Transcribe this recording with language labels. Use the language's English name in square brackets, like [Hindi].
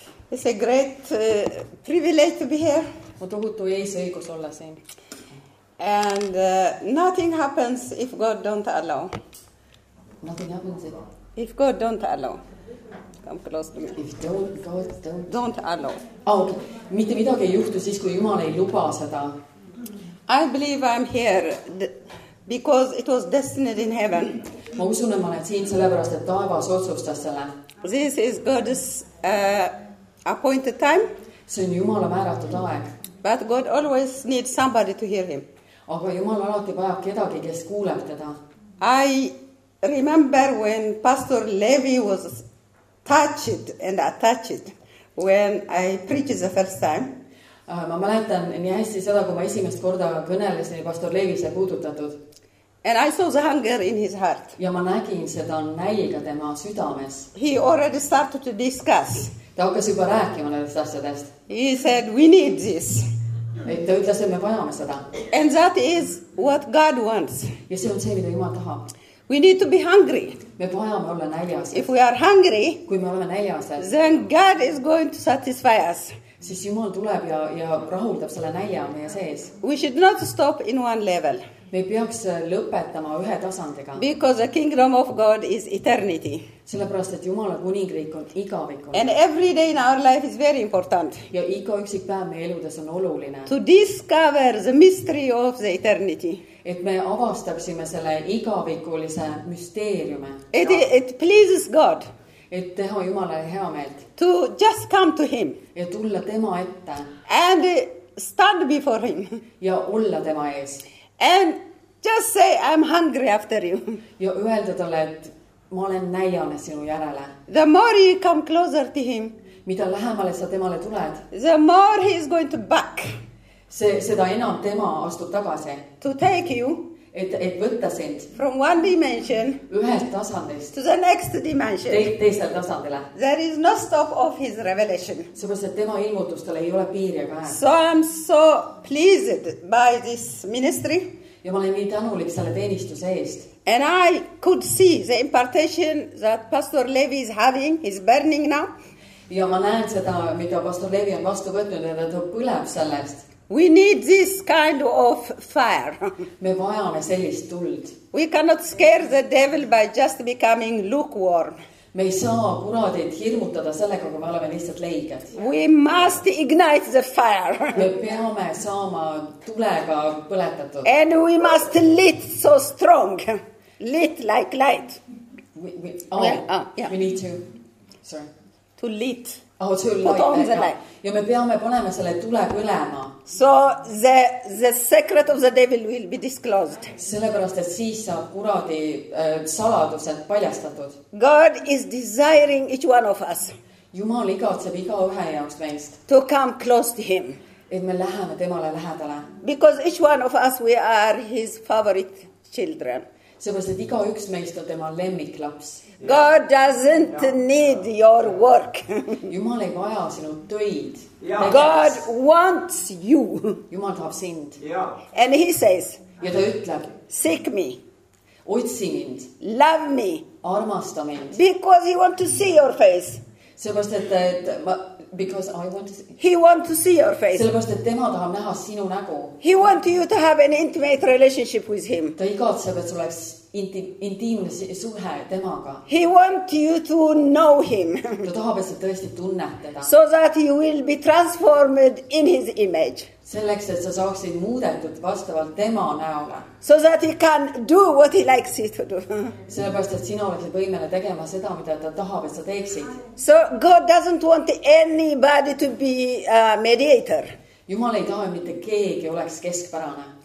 [English] It's a great privilege to be here. [Estonian] Ma tohutu eesõigus olla siin. [English] And nothing happens if God don't allow. Nothing happens if... If God don't allow. Come close to me. If God don't allow. Oh, okay. [Estonian] Mitte midagi ei juhtu siis, kui Jumal ei luba seda. [English] I believe I'm here because it was destined in heaven. [Estonian] Ma usun, et ma olen siin sellepärast, et taevas otsustas selle. [English] This is God's... appointed time. [Estonian] See on Jumala määratud aeg. [English] But God always needs somebody to hear him. [Estonian] Aga Jumal alati vajab kedagi, kes kuuleb teda. [English] I remember when Pastor Levi was touched and attached when I preached the first time. [Estonian] Ma mäletan nii hästi seda, kui ma esimest korda kõnelesin pastor Leevise puudutatud. [English] And I saw the hunger in his heart. [Estonian] Ja ma nägin seda nälga tema südames. [English] He already started to discuss. [Estonian] Ta hakkas juba rääkima nendest asjadest. [English] He said, we need this. [Estonian] Et ta ütles, et me vajame seda. [English] And that is what God wants. [Estonian] Ja see on see, mida Jumal tahab. [English] We need to be hungry. [Estonian] Me vajame olla näljased. [English] If we are hungry, [Estonian] kui me oleme näljased, [English] then God is going to satisfy us. [Estonian] Siis Jumal tuleb ja rahuldab selle nälja meie sees. [English] We should not stop in one level. [Estonian] Me peaks lõpetama ühe tasandiga. [English] Because the kingdom of God is eternity. [Estonian] Sellepärast, et Jumala kuningriik on igavikult. [English] And every day in our life is very important. [Estonian] Ja iga üksik päev meie eludes on oluline. [English] To discover the mystery of the eternity. [Estonian] Et me avastaksime selle igavikulise müsteeriume. [English] It pleases God. [Estonian] Et teha Jumale hea meelt. [English] To just come to him. [Estonian] Ja tulla tema ette. [English] And stand before him. [Estonian] Ja olla tema ees. [English] And just say, I'm hungry after you. [Estonian] Ja öelda talle, et ma olen näljane sinu järele. [English] The more you come closer to him. [Estonian] Mida lähemale sa temale tuled. [English] The more he is going to back. [Estonian] Seda enam tema astub tagasi. [English] To take you. [Estonian] Et võtta sind. [English] From one dimension. [Estonian] Ühest tasandist. [English] To the next dimension. [Estonian] Teisel tasandile. [English] There is no stop of his revelation. [Estonian] Sõbras, et tema ilmutustele ei ole piiri aga. [English] So I'm so pleased by this ministry. [Estonian] Ja ma olen nii tänulik selle teenistuse eest. [English] And I could see the impartation that Pastor Levi is having, is burning now. [Estonian] Ja ma näen seda, mida Pastor Levi on vastu võtnud, et ta põleb sellest. [English] We need this kind of fire. [Estonian] Me vajame sellist tuld. [English] We cannot scare the devil by just becoming lukewarm. [Estonian] Me ei saa kuradeid hirmutada sellega, kui me oleme lihtsalt leiged. [English] We must ignite the fire. [Estonian] Me peame saama tulega põletatud. [English] And we must lit so strong. Lit like light. We need to... Sorry. To lit. Oh, to put light, on the light. [Estonian] Ja me peame panema selle tule põlema. [English] So the secret of the devil will be disclosed. [Estonian] Sellepärast, et siis saab kuradi saladused paljastatud. [English] God is desiring each one of us. [Estonian] Jumal igatseb iga ühe jaoks meist. [English] To come close to him. [Estonian] Et me läheme temale lähedale. [English] Because each one of us, we are his favorite children. [Estonian] Sellepärast, et iga üks meist on tema lemmik laps. [English] God doesn't need your work. [Estonian] Jumal ei vaja sinu töid. [English] God wants you. [Estonian] Jumal tahab sind. [English] And he says, [Estonian] ja ta ütleb, [English] seek me. [Estonian] Otsi mind. [English] Love me. [Estonian] Armasta mind. [English] Because he wants to see your face. [Estonian] Sellepärast, et [English] because I want to see. He wants to see your face. [Estonian] Sellepärast, et tema tahab näha sinu nägu. [English] He wants you to have an intimate relationship with him. [Estonian] Ta igatseb, et sul oleks intiimne suhe temaga. [English] He wants you to know him. [Estonian] Ta tahab, et sa tõesti tunned teda. [English] So that you will be transformed in his image. [Estonian] Selleks, et sa saaksid muudetud vastavalt tema näole. [English] So that he can do what he likes you to do. [Estonian] Sellepärast, et sina oled võimele tegema seda, mida ta tahab, et sa teeksid. [English] So God doesn't want anybody to be a mediator. [Estonian] Jumal ei taha, mitte keegi oleks keskpärane.